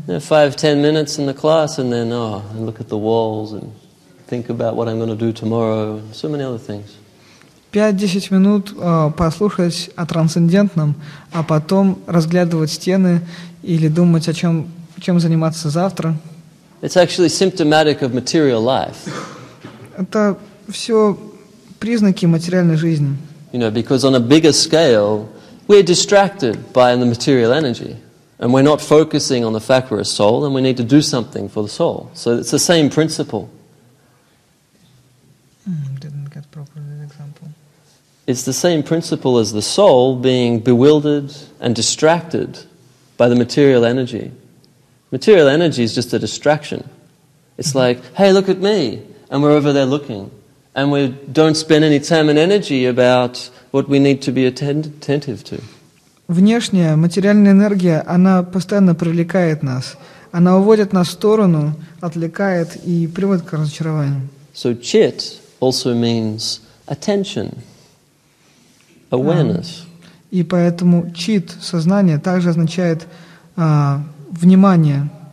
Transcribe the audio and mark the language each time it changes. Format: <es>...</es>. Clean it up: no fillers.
<en>You know, 5-10 minutes in the class, and then and look at the walls and think about what I'm going to do tomorrow, and so many other things.</en> <ru>5-10 минут послушать о трансцендентном, а потом разглядывать стены или думать о чем заниматься завтра.</ru> <en>It's actually symptomatic of material life.</en> <ru>Это все признаки материальной жизни.</ru> <en>You know, because on a bigger scale, we're distracted by the material energy, and we're not focusing on the fact we're a soul, and we need to do something for the soul. So it's the same principle. Didn't get properly the example. It's the same principle as the soul being bewildered and distracted by the material energy. Material energy is just a distraction. It's like, hey, look at me. And we're over there looking. And we don't spend any time and energy about what we need to be attentive to.</en> <ru>Внешняя материальная энергия, она постоянно привлекает нас. Она уводит нас в сторону, отвлекает и приводит к разочарованию.</ru> <en>So chit also means attention, awareness.</en> <ru>И поэтому chit, сознание, также означает внимание.</ru>